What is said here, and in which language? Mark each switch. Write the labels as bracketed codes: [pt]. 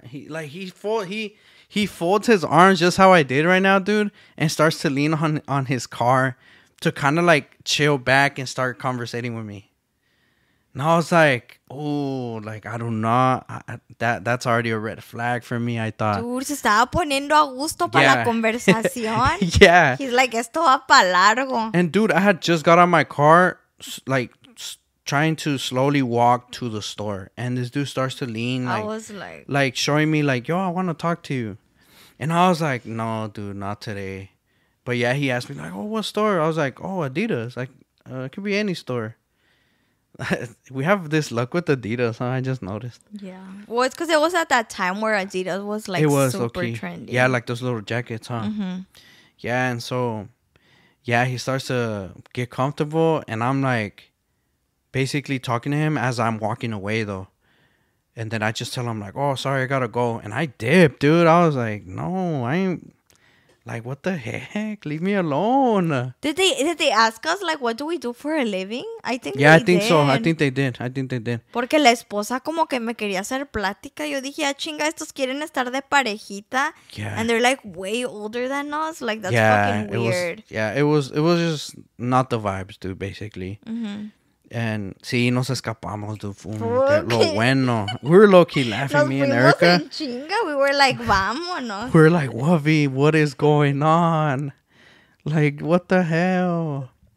[en] He folds his arms just how I did right now, dude, and starts to lean on his car to kind of like chill back and start conversating with me. And I was like, oh, like, I do not. That's already a red flag for me, I thought. Dude, [es] se estaba poniendo a gusto para la conversación. [en] Yeah. He's like, [es] esto va para largo. [en] And, dude, I had just got out of my car, like, trying to slowly walk to the store. And this dude starts to lean. Like, I was like. Like, showing me, like, yo, I want to talk to you. And I was like, no, dude, not today. But, yeah, he asked me, like, oh, what store? I was like, oh, Adidas. Like, it could be any store. We have this luck with Adidas, huh? I just noticed. Yeah. Well, it's because it was at that time where Adidas was like it was super low-key. Trendy. Yeah, like those little jackets, huh? Mm-hmm. Yeah, and so, yeah, he starts to get comfortable, and I'm like basically talking to him as I'm walking away, though. And then I just tell him, like, oh, sorry, I gotta go. And I dip, dude. I was like, no, I ain't. Like, what the heck? Leave me alone. Did they ask us, like, what do we do for a living? I think yeah, they I think did. So. I think they did. [es] Porque la esposa como que me quería hacer plática. Yo dije, ah, chinga, estos quieren estar de parejita. [en] Yeah. And they're, like, way older than us. Like, that's fucking weird. It was just not the vibes, dude, basically. Mm-hmm. And [es] si nos escapamos, [en] dude. [es] Lo bueno. [en] We were low-key laughing, me and Erika. We were like, [es] vámonos. [en] We were like, Wavi, what is going on? Like, what the hell?